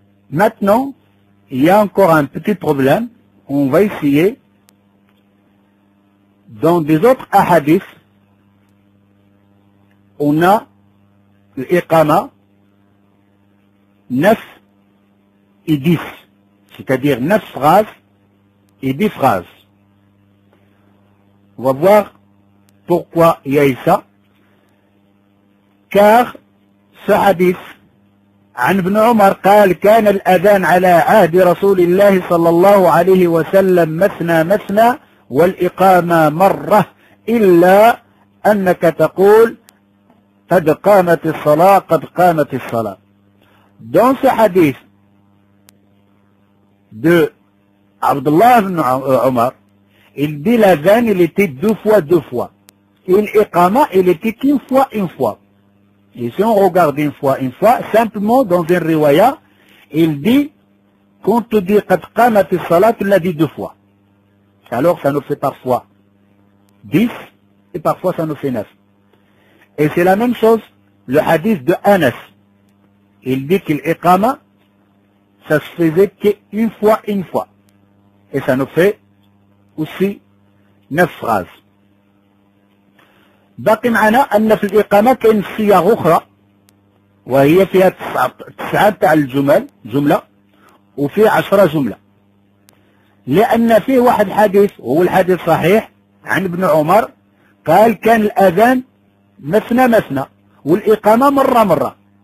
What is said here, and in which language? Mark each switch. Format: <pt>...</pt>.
<fr>Maintenant, il y a encore un petit problème. On va essayer, dans des autres ahadiths, on a l'iqama 9 et 10, c'est-à-dire 9 phrases et 10 phrases. On va voir pourquoi il y a eu ça. Car ce hadith,</fr> <ar>عن ابن عمر قال كان الأذان على عهد رسول الله صلى الله عليه وسلم مثنى مثنى والإقامة مرة إلا أنك تقول قد قامت الصلاة قد قامت الصلاة.</ar> <fr>Dans ce hadith de Abdullah ibn Omar, il dit l'adhan, il était deux fois, deux fois. Et l'iqama, il était qu'une fois, une fois. Et si on regarde une fois, une fois, simplement dans un riwaya, il dit, quand tu dis</fr> <ar>qad qamat as-salat,</ar> <fr>tu l'as dit deux fois. Alors ça nous fait parfois 10 et parfois ça nous fait 9. Et c'est la même chose, le hadith de Anas. Il dit que l'iqama, ça se faisait qu'une fois, une fois. Et ça nous fait aussi 9 phrases.</fr> <ar>باقي معنا ان في الاقامه كاين صيغ اخرى وهي فيها 9 تاع الجمل جمله وفي 10 جمله لان فيه واحد حديث هو الحديث صحيح عن ابن عمر قال كان الاذان مثنى مثنى والاقامه مره مره</ar>